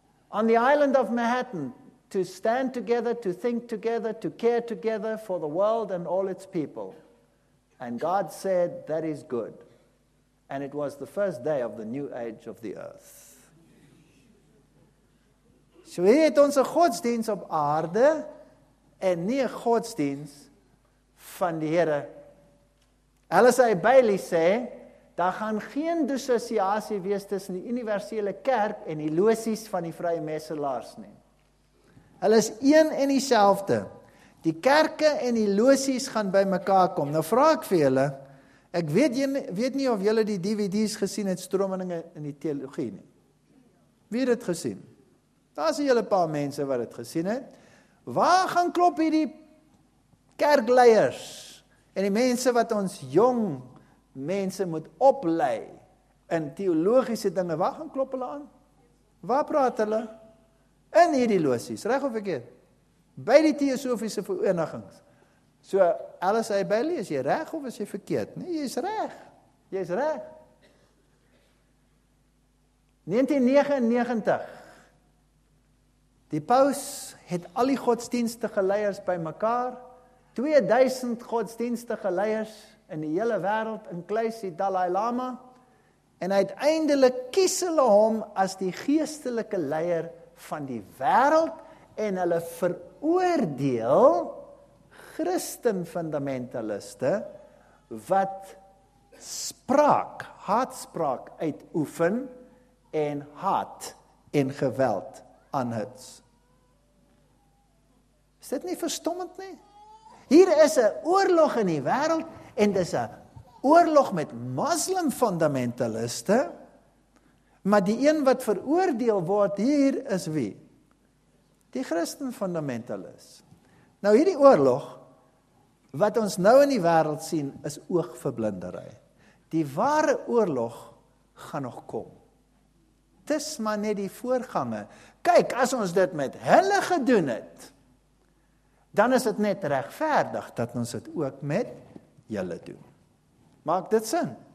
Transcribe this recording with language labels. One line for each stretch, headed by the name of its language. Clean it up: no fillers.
English: On the island of Manhattan, to stand together, to think together, to care together for the world and all its people. And God said, that is good. And it was the first day of the new age of the earth.
Afrikaans: So hier het ons 'n godsdienst op aarde en nie 'n godsdienst van die Here. Alice A. Bailey sê, daar gaan geen dissosiasie wees tussen die universele kerk en die losies van die vrye messelaars nie. Hulle is een en dieselfde. Die kerke en die losies gaan by mekaar kom. Nou vra ek vir julle, ek weet nie of julle die DVD's gesien het, Strominge in die Teologie nie. Wie het dit gesien? Daar is julle paar mense wat het gesien het. Waar gaan klop hierdie kerkleiers en die mense wat ons jong mense moet oplei in teologiese dinge? Waar gaan klop hulle aan? Waar praat hulle? In hierdie losies, reg of verkeerd? By die teosofiese verenigings. So, Alice A. Bailey, is jy reg of is jy verkeerd? Nee, jy is reg. Jy is reg. 1999. Die paus het al die godsdienstige leiers by mekaar, 2000 godsdienstige leiers in die hele wêreld, inklusief die Dalai Lama, en uiteindelik kies hulle hom as die geestelike leier van die wêreld, en hulle veroordeel Christenfundamentaliste wat spraak, haatspraak uitoefen en haat en geweld aanhits. Is dit nie verstommend nie? Hier is 'n oorlog in die wêreld en dis 'n oorlog met moslim fundamentaliste. Maar die een wat veroordeel word hier is wie? Die Christen fundamentalis. Nou hierdie oorlog wat ons nou in die wêreld sien is oogverblindery. Die ware oorlog gaan nog kom. Dis maar net die voorgange. Kyk, as ons dit met hulle gedoen het, dan is dit net regverdig dat ons dit ook met julle doen. Maak dit sin?